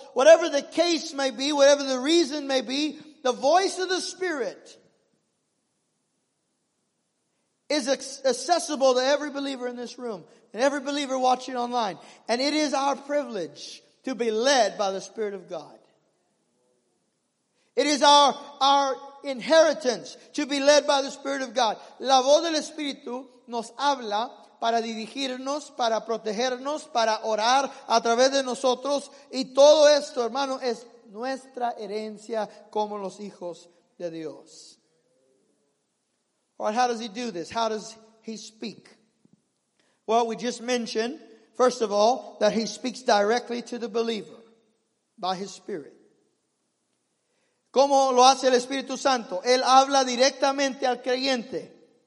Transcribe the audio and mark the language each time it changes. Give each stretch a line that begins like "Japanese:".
English: Whatever the case may be, whatever the reason may be, the voice of the Spirit is accessible to every believer in this room. And every believer watching online. And it is our privilege to be led by the Spirit of God. It is our inheritance to be led by the Spirit of God.
Spanish: La voz del Espíritu nos habla para dirigirnos, para protegernos, para orar a través de nosotros. Y todo esto, hermano, es nuestra herencia como los hijos de Dios.
English: All right, how does He do this? How does He speak? Well, we just mentioned, first of all, that He speaks directly to the believer by His Spirit.
Spanish: ¿Cómo lo hace el Espíritu Santo? Él habla directamente al creyente.